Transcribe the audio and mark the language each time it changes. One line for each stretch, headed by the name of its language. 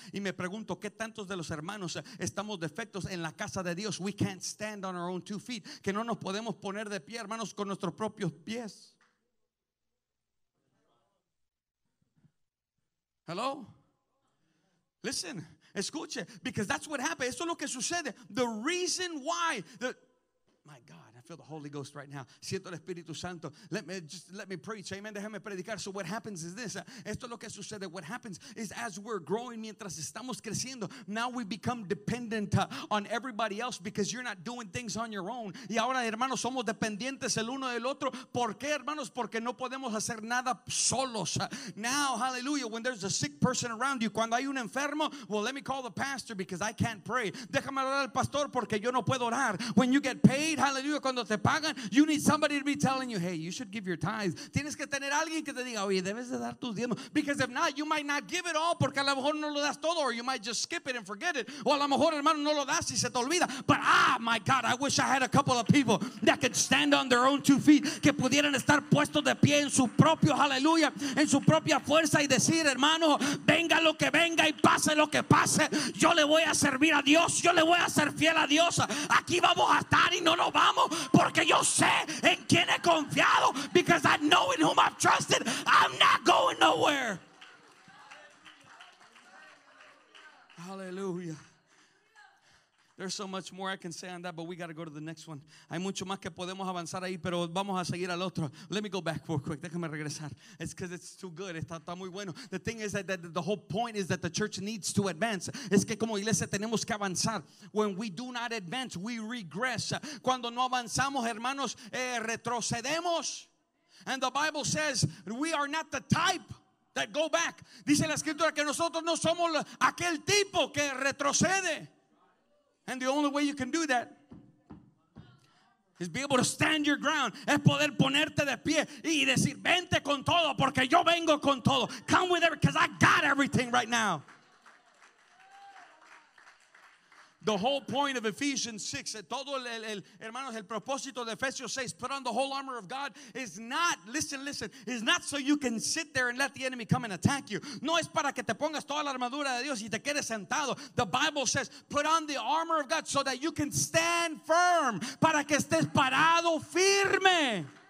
Spanish: Y me pregunto qué tantos de los hermanos estamos defectos en la casa de Dios.
English: We can't stand on our own two feet.
Spanish: Que no nos podemos poner de pie, hermanos, con nuestros propios pies.
English: Hello? Listen, escuche, because that's what happened.
Spanish: Eso es lo que sucede.
English: The reason why, my God, I feel the Holy Ghost right now.
Spanish: Siento el Espíritu Santo.
English: Let me preach.
Spanish: Amen. Déjame predicar.
English: So what happens is this.
Spanish: Esto es lo que sucede.
English: What happens is as we're growing,
Spanish: mientras estamos creciendo,
English: now we become dependent on everybody else because you're not doing things on your own.
Spanish: Y ahora, hermanos, somos dependientes el uno del otro. ¿Por qué, hermanos? Porque no podemos hacer nada solos.
English: Now, hallelujah, when there's a sick person around you,
Spanish: cuando hay un enfermo,
English: well, let me call the pastor because I can't pray.
Spanish: Déjame hablar al pastor porque yo no puedo orar.
English: When you get paid, hallelujah,
Spanish: cuando te pagan,
English: you need somebody to be telling you, hey, you should give your tithes.
Spanish: Tienes que tener alguien que te diga, oye, debes de dar tus diezmos.
English: Because if not, you might not give it all,
Spanish: porque a lo mejor no lo das todo,
English: or you might just skip it and forget it.
Spanish: O a lo mejor, hermano, no lo das y se te olvida.
English: But my God, I wish I had a couple of people that could stand on their own two feet,
Spanish: que pudieran estar puestos de pie en su propio, hallelujah, en su propia fuerza y decir, hermano, venga lo que venga y pase lo que pase, yo le voy a servir a Dios, yo le voy a ser fiel a Dios. Aquí vamos a estar y no nos vamos porque yo sé en quién he confiado.
English: Because I know in whom I've trusted, I'm not going nowhere. Hallelujah. There's so much more I can say on that, but we got to go to the next one.
Spanish: Hay mucho más que podemos avanzar ahí, pero vamos a seguir al otro.
English: Let me go back real quick.
Spanish: Déjame regresar.
English: It's because it's too good.
Spanish: Está muy bueno.
English: The thing is that the whole point is that the church needs to advance.
Spanish: Es que como iglesia tenemos que avanzar.
English: When we do not advance, we regress.
Spanish: Cuando no avanzamos, hermanos, retrocedemos.
English: And the Bible says we are not the type that go back.
Spanish: Dice la escritura que nosotros no somos aquel tipo que retrocede.
English: And the only way you can do that is be able to stand your ground.
Spanish: Es poder ponerte de pie y decir, vente con todo, porque yo vengo con todo.
English: Come with everything, because I got everything right now. The whole point of Ephesians 6,
Spanish: todo el hermanos, el propósito de Ephesians 6,
English: put on the whole armor of God, is not, listen, is not so you can sit there and let the enemy come and attack you.
Spanish: No es para que te pongas toda la armadura de Dios y te quedes sentado.
English: The Bible says, put on the armor of God so that you can stand firm,
Spanish: para que estés parado firme.